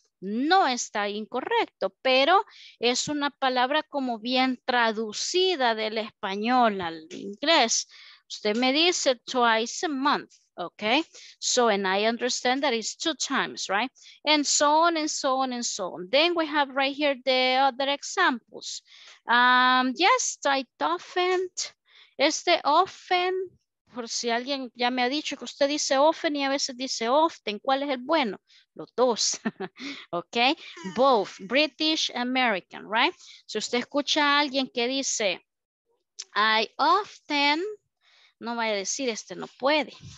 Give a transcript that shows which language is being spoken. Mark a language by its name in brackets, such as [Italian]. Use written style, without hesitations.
[Spanish] No está incorrecto, pero es una palabra como bien traducida del español al inglés. Usted me dice [English] twice a month, okay? So, and I understand that it's two times, right? And so on and so on and so on. Then we have right here the other examples. Yes, I often, [Spanish] este often, por si alguien ya me ha dicho que usted dice often y a veces dice often, ¿cuál es el bueno? Los dos, okay? [English] Both, British, American, right? [Spanish] Si usted escucha a alguien que dice, [English] I often, [Spanish] no vaya a decir, este no puede.